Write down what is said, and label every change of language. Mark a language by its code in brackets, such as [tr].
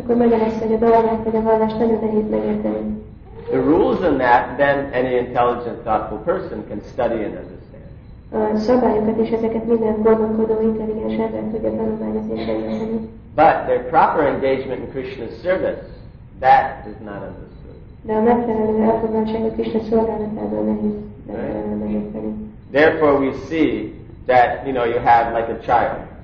[en] The rules in that, then any intelligent, thoughtful person can study and understand. But their proper engagement in Krishna's service, that is not understood. [hu] De a megfelelő elfogadásának a Krisna szolgálatában nehéz megérteni. [en] Therefore we see that, you know, you have like a child.